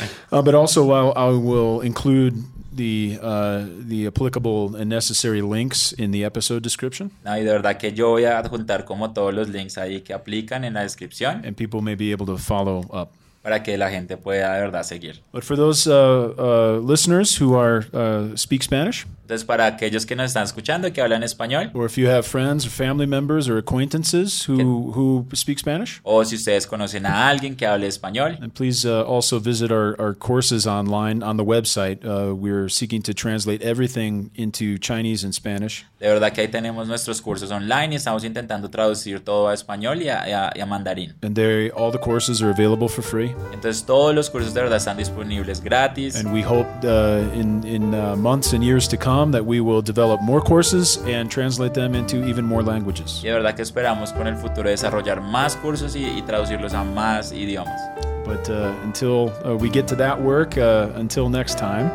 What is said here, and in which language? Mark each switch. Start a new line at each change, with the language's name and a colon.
English: But also I will include the applicable and necessary links in the episode description.
Spanish: No, y de verdad que yo voy a adjuntar como todos los links ahí que aplican en la descripción.
English: And people may be able to follow up.
Spanish: Para que la gente pueda de verdad seguir.
English: But for those listeners who are speak Spanish.
Spanish: Entonces para aquellos que nos están escuchando y que hablan español.
English: Or if you have friends or family members or acquaintances who speak Spanish.
Spanish: O si ustedes conocen a alguien que hable español.
English: And please also visit our courses online on the website. We're seeking to translate everything into Chinese and Spanish.
Spanish: De verdad que ahí tenemos nuestros cursos online y estamos intentando traducir todo a español y a mandarín.
English: And there all the courses are available for free.
Spanish: Entonces todos los cursos de verdad están disponibles gratis.
English: And we hope in months and years to come that we will develop more courses and translate them into even more languages.
Spanish: Y de verdad que esperamos con el futuro desarrollar más cursos y traducirlos a más idiomas.
English: But until we get to that work, until next time.